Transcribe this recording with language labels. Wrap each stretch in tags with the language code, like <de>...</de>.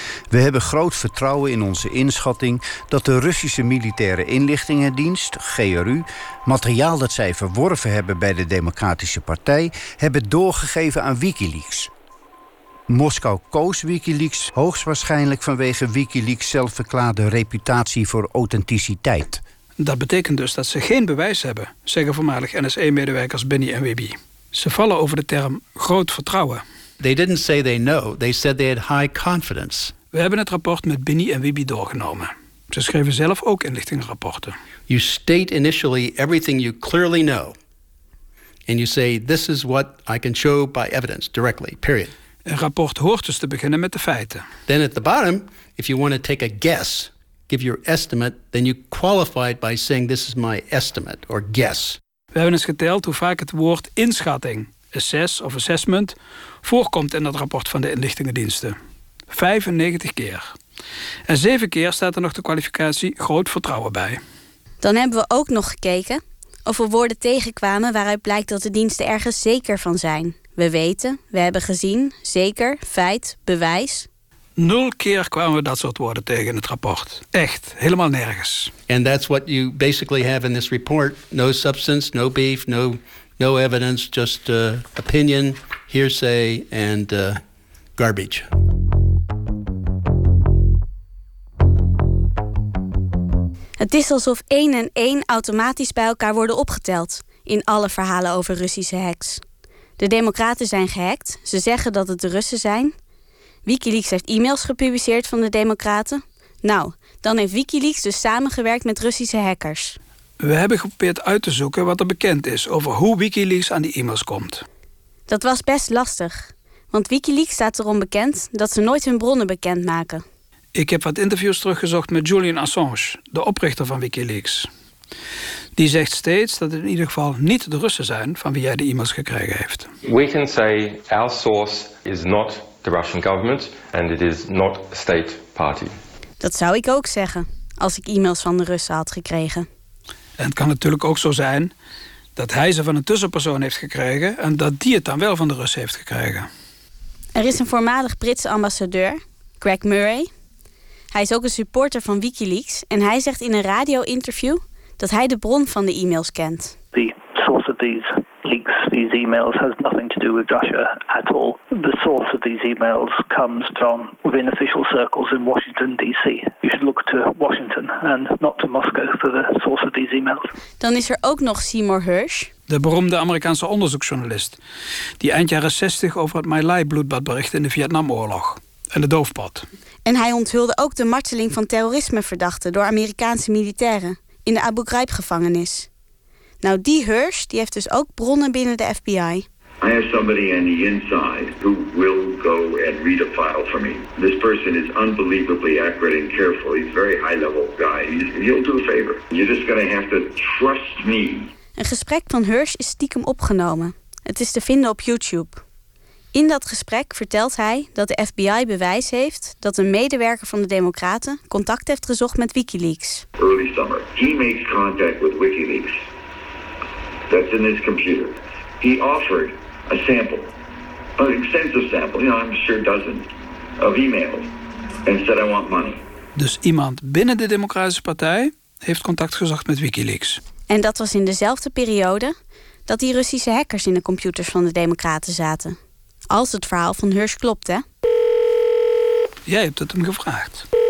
<nl>We hebben groot vertrouwen in onze inschatting dat de Russische Militaire Inlichtingendienst, GRU, materiaal dat zij verworven hebben bij de Democratische Partij, hebben doorgegeven aan WikiLeaks. Moskou koos WikiLeaks hoogstwaarschijnlijk vanwege WikiLeaks' zelfverklaarde reputatie voor authenticiteit. Dat betekent dus dat ze geen bewijs hebben, zeggen voormalig NSA-medewerkers Binney en Wiebe. Ze vallen over de term groot vertrouwen.</nl> <en>They didn't say they know. They said they had high confidence.</en> <nl>We hebben het rapport met Binney en Wiebe doorgenomen. Ze schreven zelf ook inlichtingrapporten.</nl> <en>You state initially everything you clearly know. And you say, this is what I can show by evidence, directly, period.</en> <nl>Een rapport hoort dus te beginnen met de feiten.</nl> <en>Then at the bottom, if you want to take a guess, give your estimate, then you qualify it by saying, this is my estimate, or guess.</en> <nl>We hebben eens geteld hoe vaak het woord inschatting, assess of assessment, voorkomt in dat rapport van de inlichtingendiensten. 95 keer. En 7 keer staat er nog de kwalificatie groot vertrouwen bij. Dan hebben we ook nog gekeken of we woorden tegenkwamen waaruit blijkt dat de diensten ergens zeker van zijn. We weten, we hebben gezien, zeker, feit, bewijs. 0 keer kwamen we dat soort woorden tegen in het rapport. Echt, helemaal nergens.</nl> <en>And that's what you basically have in this report. No substance, no beef, no evidence, just opinion, hearsay and garbage.</en> <nl>Het is alsof 1 en 1 automatisch bij elkaar worden opgeteld in alle verhalen over Russische hacks. De Democraten zijn gehackt, ze zeggen dat het de Russen zijn. WikiLeaks heeft e-mails gepubliceerd van de Democraten. Nou, dan heeft WikiLeaks dus samengewerkt met Russische hackers. We hebben geprobeerd uit te zoeken wat er bekend is over hoe WikiLeaks aan die e-mails komt. Dat was best lastig, want WikiLeaks staat erom bekend dat ze nooit hun bronnen bekend maken. Ik heb wat interviews teruggezocht met Julian Assange, de oprichter van WikiLeaks. Die zegt steeds dat het in ieder geval niet de Russen zijn van wie hij de e-mails gekregen heeft.</nl> <en>We can say our source is not the Russian government and it is not a state party.</en> <nl>Dat zou ik ook zeggen als ik e-mails van de Russen had gekregen. En het kan natuurlijk ook zo zijn dat hij ze van een tussenpersoon heeft gekregen en dat die het dan wel van de Russen heeft gekregen. Er is een voormalig Britse ambassadeur, Greg Murray. Hij is ook een supporter van WikiLeaks en hij zegt in een radio-interview dat hij de bron van de e-mails kent.</nl> <en>The source of these leaks, these emails, has nothing to do with Russia at all. The source of these emails comes from within official circles in Washington D.C. You should look to Washington and not to Moscow for the source of these emails.</en> <nl>Dan is er ook nog Seymour Hersh, de beroemde Amerikaanse onderzoeksjournalist, die eind jaren 60 over het My Lai bloedbad berichtte in de Vietnamoorlog. En de doofpot. En hij onthulde ook de marteling van terrorismeverdachten door Amerikaanse militairen in de Abu Ghraib-gevangenis. Nou, die Hersh, die heeft dus ook bronnen binnen de FBI.</nl> <en>I have somebody on the inside who will go and read a file for me. This person is unbelievably accurate and careful. He's a very high-level guy. He'll do a favor. You're just gonna have to trust me.</en> <nl>Een gesprek van Hersh is stiekem opgenomen. Het is te vinden op YouTube. In dat gesprek vertelt hij dat de FBI bewijs heeft dat een medewerker van de Democraten contact heeft gezocht met WikiLeaks.</nl> <en>Early summer, he makes contact with WikiLeaks. That's in his computer. He offered a sample, an extensive sample, you know, I'm sure dozens of emails, and said I want money.</en> <nl>Dus iemand binnen de Democratische Partij heeft contact gezocht met WikiLeaks. En dat was in dezelfde periode dat die Russische hackers in de computers van de Democraten zaten. Als het verhaal van Hersh klopt, hè? Jij hebt het hem gevraagd.</nl>